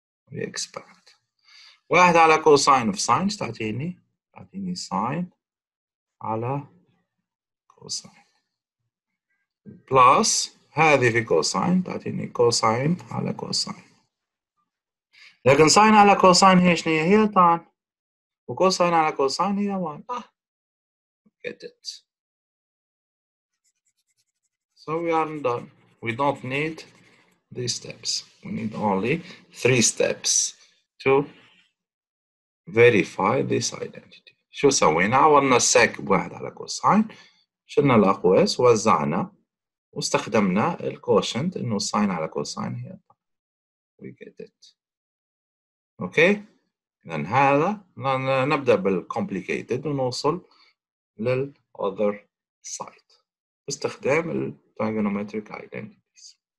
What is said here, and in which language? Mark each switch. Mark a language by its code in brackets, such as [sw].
[en] we expand. [ar] واحد على cosine of sin ايش تعطيني؟ تعطيني sin على cosine. بلس هذه في cosine تعطيني cosine على cosine. لكن ساين على كوساين هي شنو هي طان وكوساين على كوساين هي 1. [en] Get it. So we are done. We don't need these steps. We need only three steps to verify this identity. [ar] شو سوينا؟ عوضنا sec بواحد على كوساين، شلنا الأقواس، وزعنا واستخدمنا الكوشنت إنه ساين على كوساين هي طان. [en] We get it. [ar] اوكي لان هذا نبدا بالcomplicated ونوصل للother side باستخدام trigonometric identities.